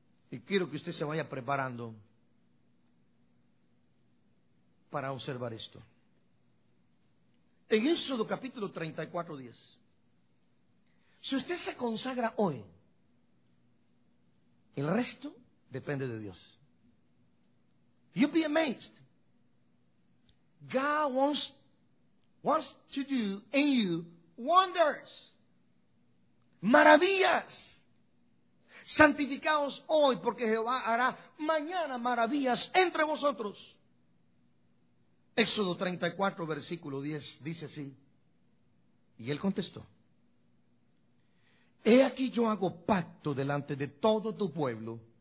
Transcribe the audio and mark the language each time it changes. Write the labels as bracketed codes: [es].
[es] Y quiero que usted se vaya preparando para observar esto. En Éxodo capítulo 34:10. Si usted se consagra hoy, el resto depende de Dios. [en] You'll be amazed. God wants to do in you wonders. [es] Maravillas. Santificaos hoy porque Jehová hará mañana maravillas entre vosotros. Éxodo 34, versículo 10, dice así. Y él contestó. He aquí yo hago pacto delante de todo tu pueblo.